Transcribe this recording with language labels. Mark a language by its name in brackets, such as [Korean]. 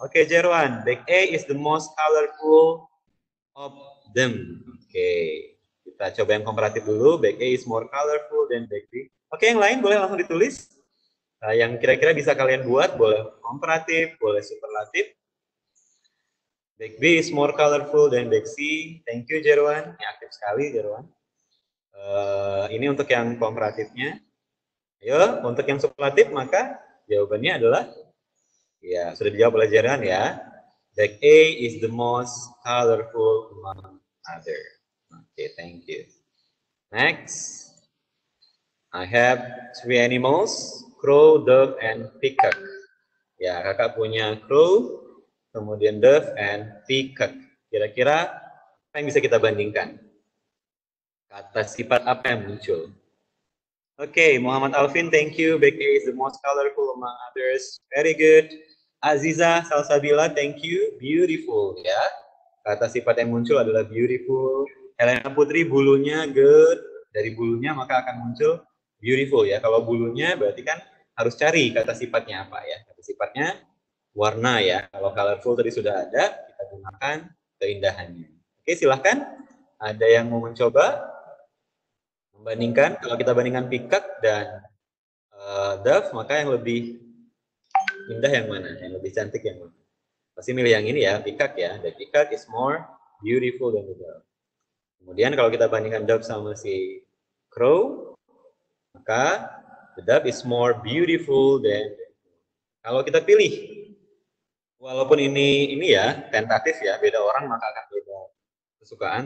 [English] Oke, Jerwan, bag A is the most colorful of them. Oke, [Indonesian] kita coba yang komparatif dulu. [English] Bag A is more colorful than bag B. [Indonesian] Oke, yang lain boleh langsung ditulis. Yang kira-kira bisa kalian buat, boleh komparatif, boleh superlatif. [English] Bag B is more colorful than bag C. Thank you, [Indonesian] Jerwan. Ini aktif sekali, Jerwan. Ini untuk yang komparatifnya. Ayo, untuk yang superlatif, maka jawabannya adalah, ya, sudah dijawab oleh Jerwan ya. [English] Bag A is the most colorful among other. Okay, thank you. Next, I have three animals. Crow, dove, and peacock. [Indonesian] Ya, kakak punya [English] crow, kemudian dove, and peacock. [Indonesian] Kira-kira apa yang bisa kita bandingkan? Kata sifat apa yang muncul? Okay, Muhammad Alvin, thank you. [English] Bag A is the most colorful among others. Very good. Aziza Salsabila, thank you. Beautiful, ya. [Indonesian] Kata sifat yang muncul adalah beautiful. Helena Putri, bulunya good. Dari bulunya maka akan muncul beautiful ya. Kalau bulunya berarti kan harus cari kata sifatnya apa ya. Kata sifatnya warna ya. Kalau colorful tadi sudah ada, kita gunakan keindahannya. Oke, silahkan. Ada yang mau mencoba? Membandingkan, kalau kita bandingkan peacock dan dove, maka yang lebih indah yang mana? Yang lebih cantik yang mana? Pasti milih yang ini ya, peacock ya. [English] The peacock is more beautiful than the dove. [Indonesian] Kemudian kalau kita bandingkan [English] dove sama si crow, maka the dove is more beautiful than. [Indonesian] Kalau kita pilih, walaupun ini ya tentatif ya, beda orang maka akan beda kesukaan.